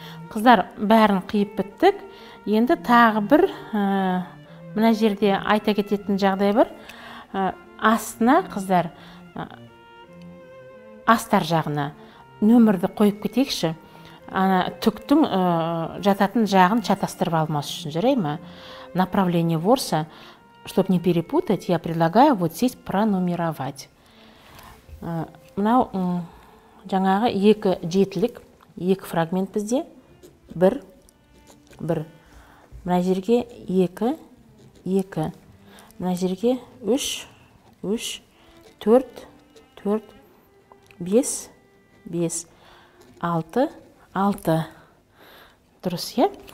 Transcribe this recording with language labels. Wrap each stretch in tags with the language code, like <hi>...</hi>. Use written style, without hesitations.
<kk>Қыздар, бәрін қиып біттік. Енді тағы бір, мына жерде айта кететін жағдай бір. Астына, қыздар, астар жағына нөмірді қойып кетекші. Ана түктің жататын жағын шатастырып алмас үшін жүрей ма?</kk> <ru>Направление ворса, чтоб не перепутать, я предлагаю вот здесь пронумеровать.</ru> <kk>Мынау жаңағы екі жетілік, екі фрагмент бізде. Бір, бір. Мына жерге екі, екі. Мына жерге үш, үш, төрт, төрт, бес, бес, алты, алты. Дұрыс, е?</kk>